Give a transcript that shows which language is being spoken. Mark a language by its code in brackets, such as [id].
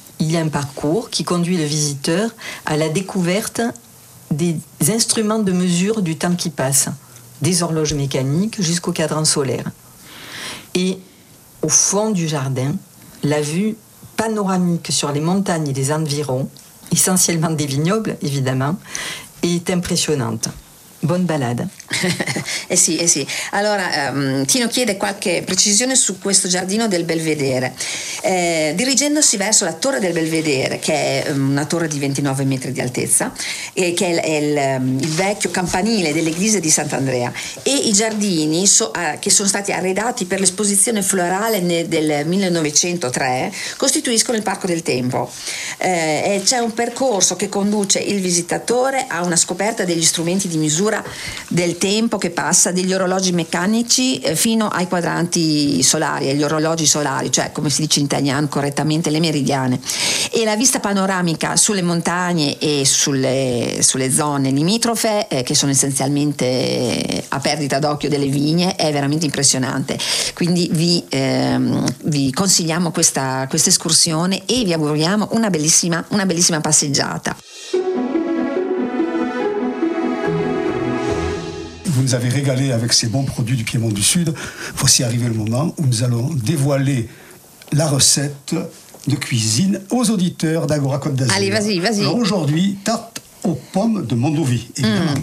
[fr] Il y a un parcours qui conduit le visiteur à la découverte des instruments de mesure du temps qui passe, des horloges mécaniques jusqu'au cadran solaire. Et au fond du jardin, la vue panoramique sur les montagnes et les environs, essentiellement des vignobles évidemment, est impressionnante. [it] Buona balada. Eh sì. Allora, Tino chiede qualche precisione su questo giardino del Belvedere. Dirigendosi verso la torre del Belvedere, che è una torre di 29 metri di altezza, e che è il vecchio campanile dell'Eglise di Sant'Andrea, e i giardini che sono stati arredati per l'esposizione florale del 1903 costituiscono il Parco del Tempo. C'è un percorso che conduce il visitatore a una scoperta degli strumenti di misura del tempo che passa, degli orologi meccanici fino ai quadranti solari, agli orologi solari, cioè come si dice in italiano correttamente, le meridiane. E la vista panoramica sulle montagne e sulle zone limitrofe, che sono essenzialmente a perdita d'occhio delle vigne, è veramente impressionante. Quindi vi consigliamo questa escursione e vi auguriamo una bellissima passeggiata. [fr] Vous nous avez régalé avec ces bons produits du Piémont du Sud. Voici arrivé le moment où nous allons dévoiler la recette de cuisine aux auditeurs d'Agora Côte d'Azur. Allez, vas-y. Alors aujourd'hui, tarte aux pommes de Mondovì, évidemment.